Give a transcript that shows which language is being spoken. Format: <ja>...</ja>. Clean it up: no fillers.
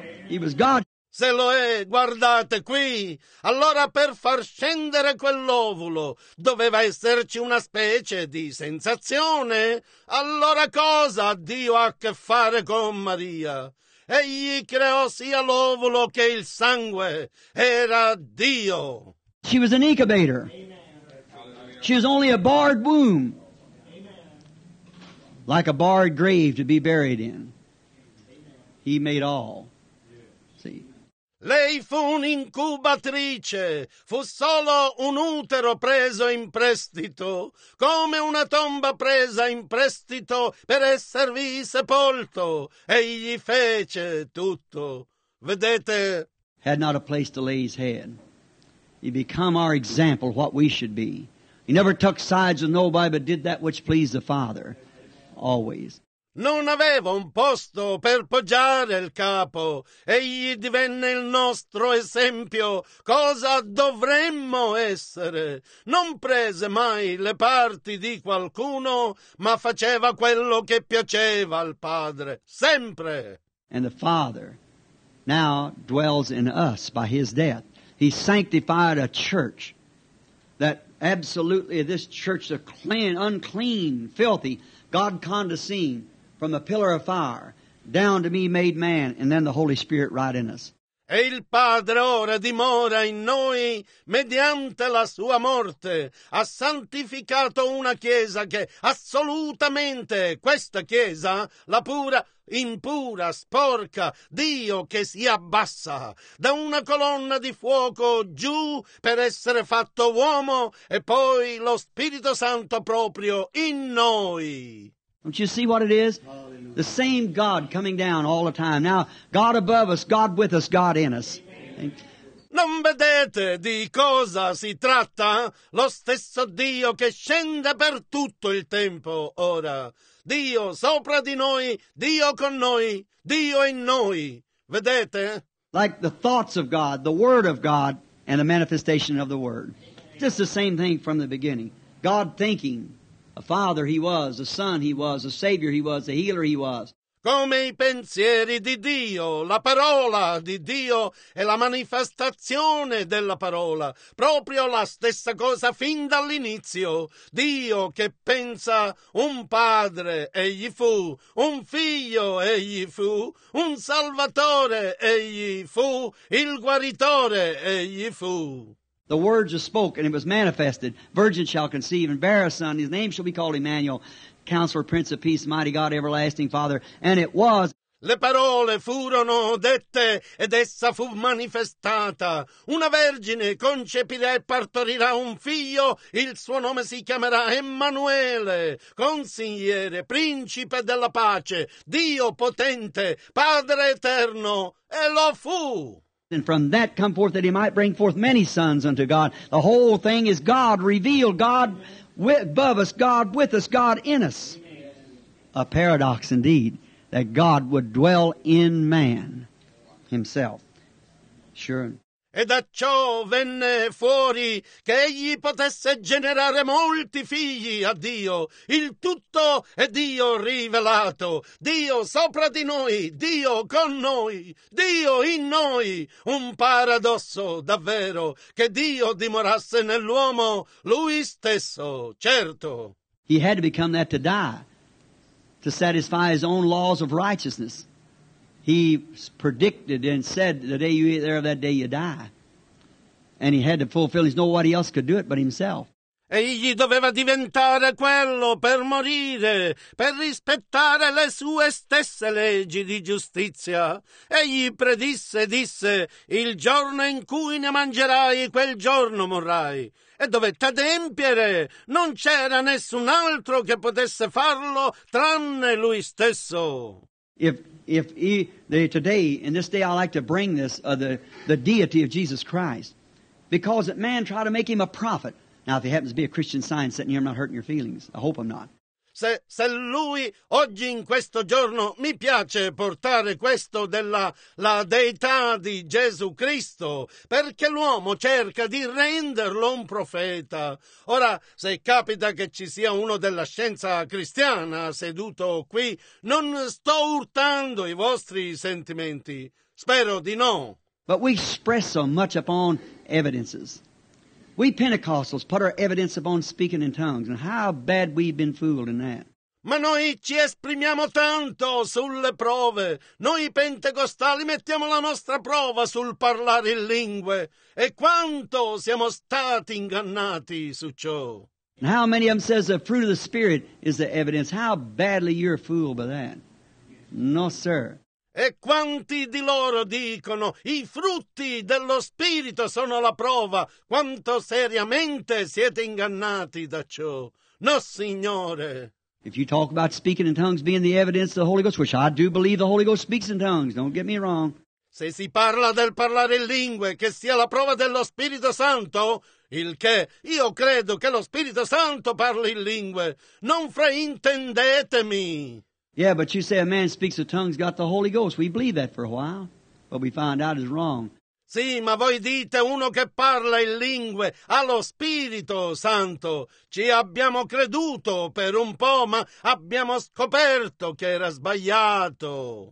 <en>He was God.</en> <it>Se lo è, guardate qui. Allora per far scendere quell'ovulo doveva esserci una specie di sensazione. Allora cosa Dio ha a che fare con Maria? Egli creò sia l'ovulo che il sangue. Era Dio.</it> <en>She was an incubator. Amen. She was only a barred womb. Amen. Like a barred grave to be buried in. Amen. He made all. See?</en> <it>Lei fu un'incubatrice, fu solo un utero preso in prestito, come una tomba presa in prestito per esservi sepolto. Egli fece tutto. Vedete?</it> <en>Had not a place to lay his head. He became our example, what we should be. He never took sides with nobody, but did that which pleased the Father, always.</en> <it>Non aveva un posto per poggiare il capo. Egli divenne il nostro esempio. Cosa dovremmo essere? Non prese mai le parti di qualcuno, ma faceva quello che piaceva al Padre. Sempre!</it> <en>And the Father now dwells in us by His death. He sanctified a church that absolutely this church is clean, unclean, filthy, God condescending. From a pillar of fire, down to me made man, and then the Holy Spirit right in us.</en> <it>E il Padre ora dimora in noi, mediante la sua morte, ha santificato una chiesa che assolutamente, questa chiesa, la pura, impura, sporca, Dio che si abbassa da una colonna di fuoco giù per essere fatto uomo, e poi lo Spirito Santo proprio in noi.</it> <en>Don't you see what it is? Hallelujah. The same God coming down all the time. Now, God above us, God with us, God in us.</en> <it>Non vedete di cosa si tratta? Lo stesso Dio che scende per tutto il tempo ora. Dio sopra di noi, Dio con noi, Dio in noi. Vedete?</it> <en>Like the thoughts of God, the Word of God, and the manifestation of the Word. Just the same thing from the beginning. God thinking. A father he was, a son he was, a savior he was, a healer he was.</en> <it>Come i pensieri di Dio, la parola di Dio e la manifestazione della parola. Proprio la stessa cosa fin dall'inizio. Dio che pensa, un padre egli fu, un figlio egli fu, un salvatore egli fu, il guaritore egli fu.</it> <en>The words are spoken, and it was manifested. Virgin shall conceive and bear a son. His name shall be called Emmanuel, Counselor, Prince of Peace, Mighty God, Everlasting Father. And it was.</en> <it>Le parole furono dette ed essa fu manifestata. Una vergine concepirà e partorirà un figlio. Il suo nome si chiamerà Emmanuele, consigliere, principe della pace, Dio potente, Padre eterno. E lo fu.</it> <en>And from that come forth that he might bring forth many sons unto God. The whole thing is God revealed, God above us, God with us, God in us. A paradox indeed. That God would dwell in man himself. Sure.</en> <it>E da ciò venne fuori che egli potesse generare molti figli a Dio. Il tutto è Dio rivelato. Dio sopra di noi, Dio con noi, Dio in noi. Un paradosso davvero che Dio dimorasse nell'uomo lui stesso, certo.</it> <en>He had to become that to die. To satisfy his own laws of righteousness. He predicted and said, the day you eat there, that day you die. And he had to fulfill. There's nobody else could do it but himself.</en> <it>Egli doveva diventare quello per morire, per rispettare le sue stesse leggi di giustizia. Egli predisse, disse, il giorno in cui ne mangerai, quel giorno morrai. E dovette adempiere. Non c'era nessun altro che potesse farlo tranne lui stesso.</it> <en>Today, in this day, I like to bring this, the deity of Jesus Christ. Because that man tried to make him a prophet. Now, if he happens to be a Christian Science sitting here, I'm not hurting your feelings. I hope I'm not.</en> <it>Se lui oggi in questo giorno mi piace portare questo della la deità di Gesù Cristo, perché l'uomo cerca di renderlo un profeta. Ora, se capita che ci sia uno della scienza cristiana seduto qui, non sto urtando i vostri sentimenti. Spero di no.</it> <en>But we express so much upon evidences. We Pentecostals put our evidence upon speaking in tongues, and how bad we've been fooled in that.</en> <it>Ma noi ci esprimiamo tanto sulle prove. Noi pentecostali mettiamo la nostra prova sul parlare in lingue. E quanto siamo stati ingannati su ciò.</it> <en>And how many of them says the fruit of the Spirit is the evidence? How badly you're fooled by that. No, sir.</en> <it>E quanti di loro dicono, i frutti dello Spirito sono la prova, quanto seriamente siete ingannati da ciò. No, Signore!</it> <en>If you talk about speaking in tongues being the evidence of the Holy Ghost, which I do believe the Holy Ghost speaks in tongues, don't get me wrong.</en> <it>Se si parla del parlare in lingue, che sia la prova dello Spirito Santo, il che io credo che lo Spirito Santo parli in lingue, non fraintendetemi!</it> <en>Yeah, but you say a man speaks of tongues, got the Holy Ghost. We believe that for a while, but we find out it's wrong.</en> <it>Sì, ma voi dite uno che parla in lingue ha lo Spirito Santo. Ci abbiamo creduto per un po', ma abbiamo scoperto che era sbagliato.</it>